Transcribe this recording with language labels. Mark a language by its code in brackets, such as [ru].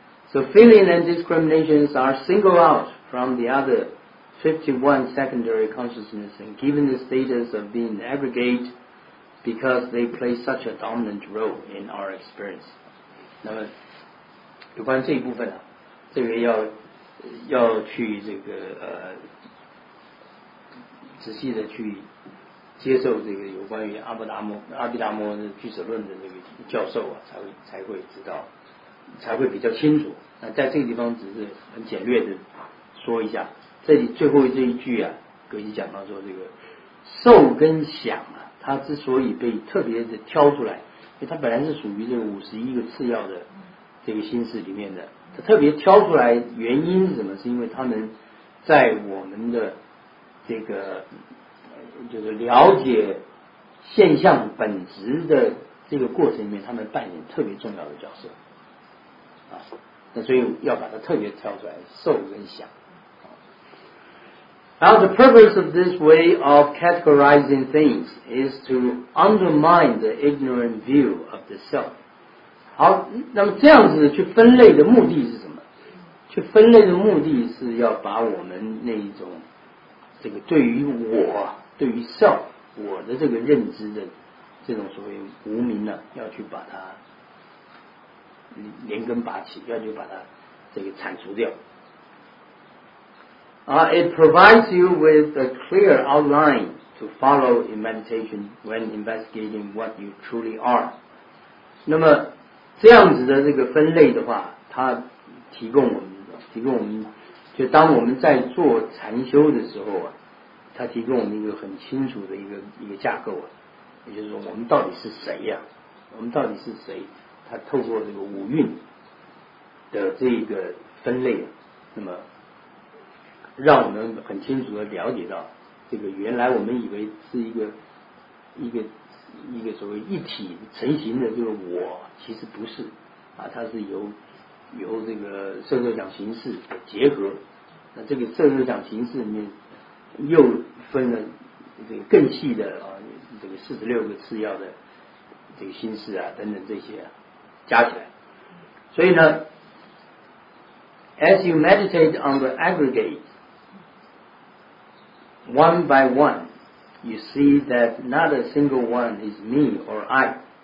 [en] So feeling and discriminations are singled out from the other 51 secondary consciousness and given the status of being aggregate because they play such a dominant role in our experience。 [zh] 那么有关这一部分，这个要去这个仔细的去接受这个有关于阿毗达摩的俱舍论的这个教授啊，才会知道，才会比较清楚。那在这个地方只是很简略的说一下，这里最后这一句啊，格西讲到说这个受跟想啊，它之所以被特别的挑出来，因为它本来是属于这个51个次要的这个心识里面的，它特别挑出来原因是什么？是因为它们在我们的这个就是了解现象本质的这个过程里面，他们扮演特别重要的角色啊。那所以要把它特别挑出来，受跟想。 [en] Now the purpose of this way of categorizing things is to undermine the ignorant view of the self。 [zh] 好，那么这样子去分类的目的是什么？去分类的目的是要把我们那一种这个对于我，对于 self 我的这个认知的这种所谓无明呢，要去把它连根拔起，要去把它这个铲除掉。 [en] It provides you with a clear outline to follow in meditation when investigating what you truly are。 [zh] 那么这样子的这个分类的话，它提供我们就当我们在做禅修的时候啊，它提供我们一个很清楚的一个架构啊，也就是说我们到底是谁呀、啊？我们到底是谁？它透过这个五蕴的这一个分类、啊，那么让我们很清楚的了解到，这个原来我们以为是一个所谓一体成型的这个我，其实不是啊，它是由这个色受想行识的结合。那这个色受想行识里面又分了这个更细的啊，这个46个次要的这个心识啊等等这些、啊、加起来。所以呢 [en] as you meditate on the aggregate one by one you see that not a single one is me or I。